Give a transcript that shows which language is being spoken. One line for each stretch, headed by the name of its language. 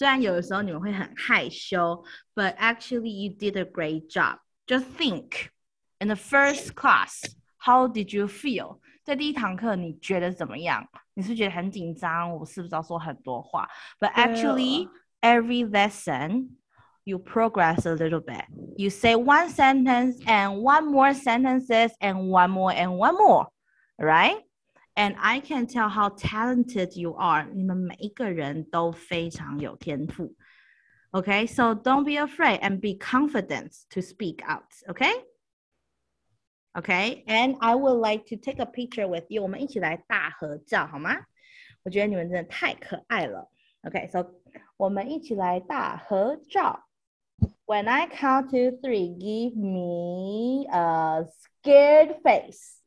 Chinese: 我真的很喜欢跟你们一起上课。虽然有的时候你们会很害羞,
English: but actually you did a great job. Just think, in the first class, how did you feel?
Chinese: 在第一堂课你觉得怎么样?你是觉得很紧张, 我是不是要说很多话?
English: But actually, every lesson, you progress a little bit. You say one sentence and one more sentences and one more, right? And I can tell how talented you are.
Chinese: 你们每一个人都非常有天赋。
English: Okay, so don't be afraid and be confident to speak out, okay? Okay, and I would like to take a picture with you.
Chinese: 我们一起来大合照好吗？我觉得你们真的太可爱了。
English: Okay, so
Chinese: 我们一起来大合照。
English: When I count to three, give me a scared face.